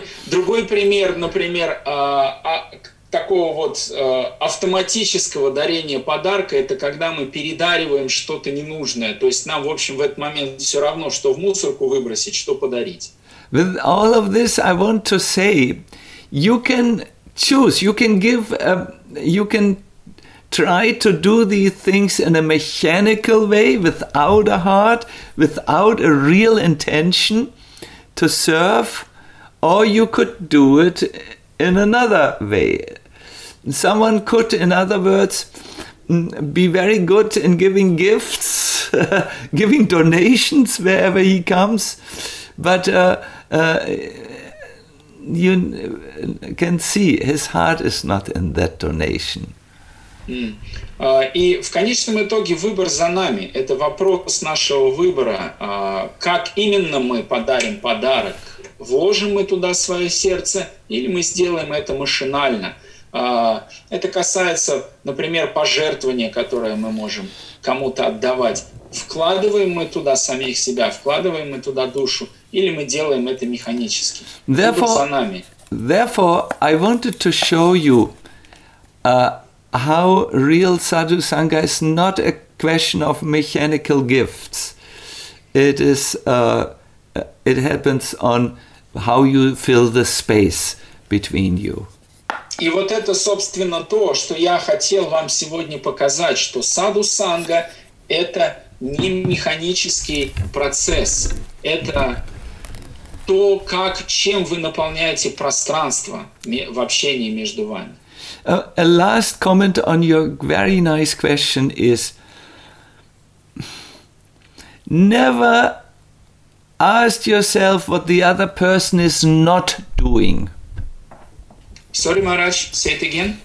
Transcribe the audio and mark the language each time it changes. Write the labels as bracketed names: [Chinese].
[Russian] Другой пример, например, такого вот автоматического дарения подарка, это когда мы передариваем что-то ненужное. То есть нам, в общем, в этот момент все равно, что в мусорку выбросить, что подарить. [English] With all of this, I want to say, you can choose, you can give, you can try to do these things in a mechanical way, without a heart, without a real intention to serve, or you could do it in another way. Someone could, in other words, be very good in giving gifts, giving donations wherever he comes, but you can see his heart is not in that donation. [Russian] И в конечном итоге выбор за нами. Это вопрос нашего выбора. Как именно мы подарим подарок? Вложим мы туда свое сердце или мы сделаем это машинально? Это касается, например, пожертвования, которое мы можем кому-то отдавать. Вкладываем мы туда самих себя, вкладываем мы туда душу, или мы делаем это механически? [English] Therefore, [Russian] за нами. [English] Therefore, I wanted to show you how real sadhu sangha is not a question of mechanical gifts. It is. It happens on how you fill the space between you. [Russian] И вот это, собственно, то, что я хотел вам сегодня показать, что саду санга – это не механический процесс. Это то, как, чем вы наполняете пространство в общении между вами. [English] A last comment on your very nice question is never ask yourself what the other person is not doing. Sorry, Maharaj, say it again.